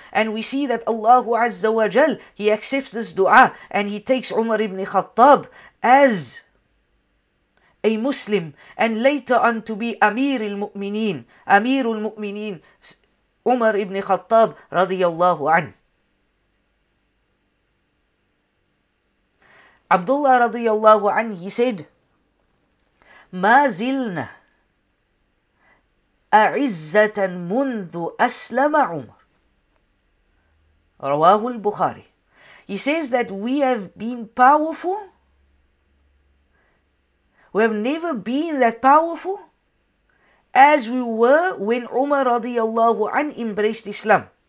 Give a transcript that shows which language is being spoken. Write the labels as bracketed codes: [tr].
[en] And we see that Allah Azza wa Jal, he accepts this dua and he takes Umar ibn Khattab as a Muslim and later on to be Amir al-Mu'mineen, Amir al-Mu'mineen, Umar ibn Khattab radiyallahu anhu. [ar] Abdullah radiyallahu anhu, [en] he said, [ar] مَا زِلْنَا أَعِزَّةً مُنْذُ أَسْلَمَ عُمَرُ رواه البخاري. [en] He says that we have been powerful, we have never been that powerful as we were when Umar radiyallahu anhu embraced Islam.